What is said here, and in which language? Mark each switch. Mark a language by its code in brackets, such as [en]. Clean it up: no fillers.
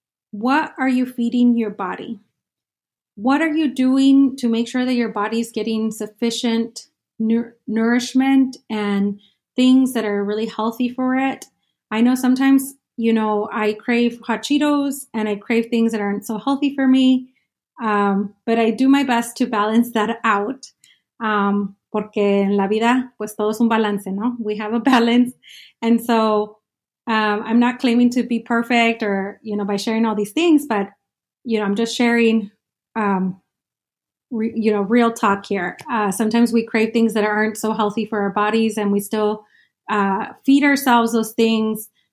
[en] What are you feeding your body? What are you doing to make sure that your body is getting sufficient nourishment and things that are really healthy for it? I know sometimes, you know, I crave hot Cheetos and I crave things that aren't so healthy for me. But I do my best to balance that out. [es] Porque en la vida, pues todo es un balance, ¿no? [en] We have a balance. And so I'm not claiming to be perfect or, you know, by sharing all these things, but, you know, I'm just sharing, real talk here. Sometimes we crave things that aren't so healthy for our bodies and we still feed ourselves those things.